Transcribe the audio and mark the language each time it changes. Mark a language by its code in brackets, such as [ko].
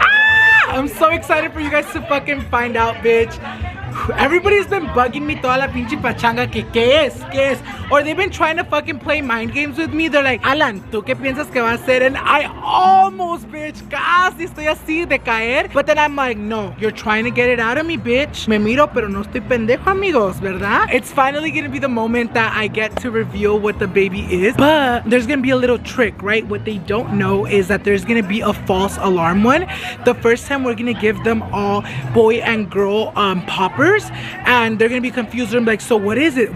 [en] I'm so excited for you guys to fucking find out, bitch. Everybody's been bugging me [es] toda la pinche pachanga que qué es, qué es. [en] Or they've been trying to fucking play mind games with me. They're like, Alan, [es] ¿tú qué piensas que va a ser? [en] And I almost, bitch, [es] casi estoy así de caer. [en] But then I'm like, no, you're trying to get it out of me, bitch. [es] Me miro, pero no estoy pendejo, amigos, ¿verdad? [en] It's finally gonna be the moment that I get to reveal what the baby is. But there's gonna be a little trick, right? What they don't know is that there's gonna be a false alarm one. The first time we're gonna give them all boy and girl pop. And they're gonna be confused and be like, so what is it?